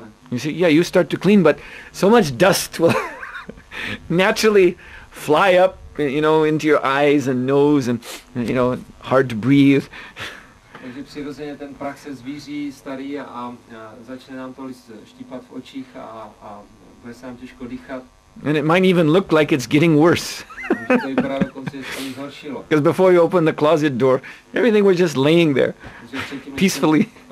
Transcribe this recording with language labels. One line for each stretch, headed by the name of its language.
English: You see, yeah, you start to clean, but so much dust will naturally fly up, you know, into your eyes and nose and, you know, hard to breathe.
Czech: Takže přirozeně ten prach se zvíří starý a začne nám to štípat v očích a bude se nám těžko dýchat.
English: And it might even look like it's getting worse. Because before you open the closet door, everything was just laying there, peacefully.